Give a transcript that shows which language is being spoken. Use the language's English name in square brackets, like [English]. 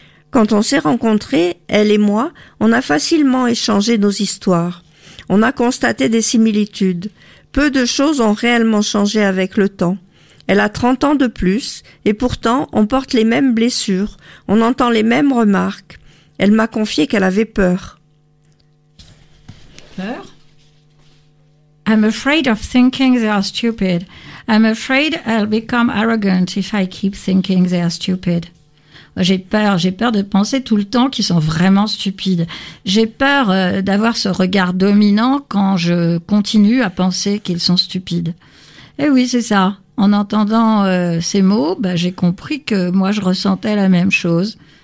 [French] Quand on s'est rencontrés, elle et moi, on a facilement échangé nos histoires. On a constaté des similitudes. Peu de choses ont réellement changé avec le temps. Elle a 30 ans de plus et pourtant on porte les mêmes blessures, on entend les mêmes remarques. Elle m'a confié qu'elle avait peur. Peur? [English] I'm afraid of thinking they are stupid. I'm afraid I'll become arrogant if I keep thinking they are stupid. [French] J'ai peur de penser tout le temps qu'ils sont vraiment stupides. J'ai peur d'avoir ce regard dominant quand je continue à penser qu'ils sont stupides. Eh oui, c'est ça. En entendant ces mots, j'ai compris que moi, je ressentais la même chose.